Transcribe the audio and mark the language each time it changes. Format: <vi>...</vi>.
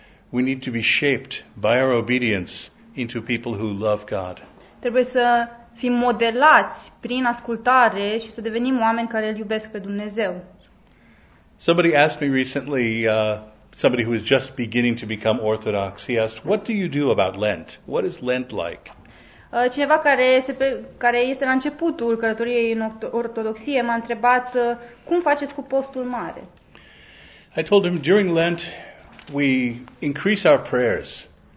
<en>We need to be shaped by our obedience into people who love God.</en> <ro>Trebuie să fim modelați prin ascultare și să devenim oameni care îl iubesc pe Dumnezeu.</ro> <en>Somebody asked me recently, somebody who is just beginning to become Orthodox, he asked, what do you do about Lent? What is Lent like?</en> <ro>Cineva care este la începutul călătoriei în Ortodoxie m-a întrebat, cum faceți cu postul mare?</ro> <en>I told him, during Lent, we increase our prayers.</en>